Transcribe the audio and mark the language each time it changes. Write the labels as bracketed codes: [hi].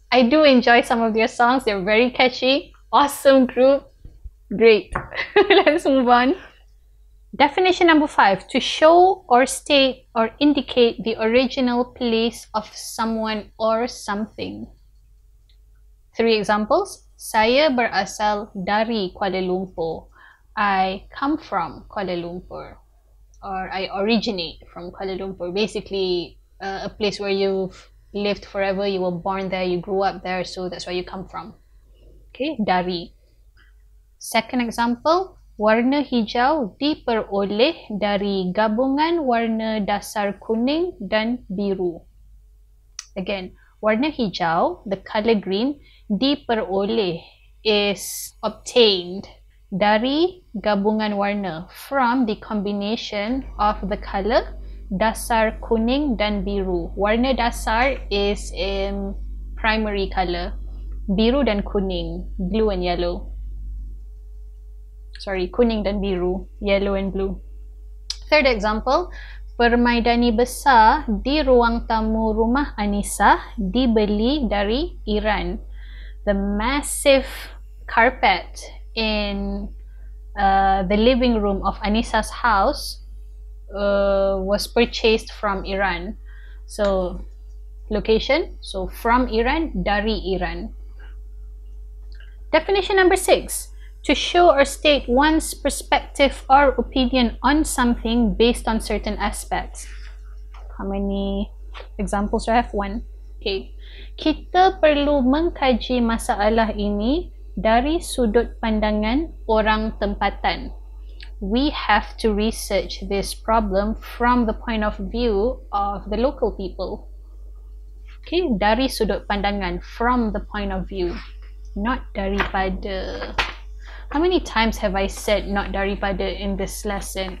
[en] I do enjoy some of their songs. They're very catchy. Awesome group. Great. Let's move on. Definition number five, to show or state or indicate the original place of someone or something. Three examples. [ms] Saya berasal dari Kuala Lumpur. [en] I come from Kuala Lumpur. Or I originate from Kuala Lumpur. Basically, a place where you've lived forever, you were born there, you grew up there, so that's where you come from. Okay, dari. Second example, [ms] warna hijau diperoleh dari gabungan warna dasar kuning dan biru. [en] Again, [ms] warna hijau, [en] the color green, diperoleh is obtained [ms] dari gabungan warna, [en] from the combination of the color [ms] dasar kuning dan biru. [en] Warna dasar is primary color. Biru dan kuning, blue and yellow. Sorry, kuning dan biru, yellow and blue. Third example, [ms] Permaidani besar di ruang tamu rumah Anissa dibeli dari Iran. [en] The massive carpet in the living room of Anissa's house was purchased from Iran. So, location. So, from Iran, dari Iran. Definition number 6. To show or state one's perspective or opinion on something based on certain aspects. How many examples do I have? One. Okay. [ms] Kita perlu mengkaji masalah ini dari sudut pandangan orang tempatan. [en] We have to research this problem from the point of view of the local people. Okay, dari sudut pandangan, from the point of view. Not daripada. How many times have I said not daripada in this lesson?